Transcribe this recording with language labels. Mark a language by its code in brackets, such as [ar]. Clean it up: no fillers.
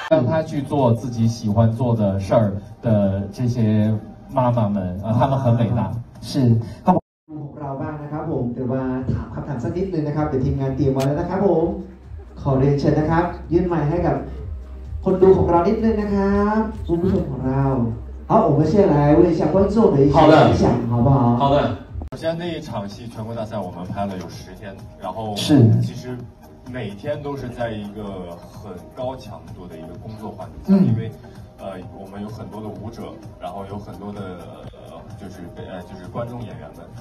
[zh] 让他去做自己喜欢做的事儿的这些妈妈们他们很伟大是他们 [th] ของเราบ้างนะครับผมเดี๋ยวมาถามคำถามสักนิดนึงนะครับเดี๋ยวทีมงานเตรียมไว้แล้วนะครับผมขอเรียนเชิญนะครับยื่นไมค์ให้กับคนดูของเรานิดนึงนะครับคุณผู้ชมของเรา [zh] 好我们先来问一下观众的一些想好不好好的首先那一场戏全国大赛我们拍了有10天，然后是其实每天都是在一个很高强度的一个工作环境下，因为我们有很多的舞者，然后有很多的就是观众演员们，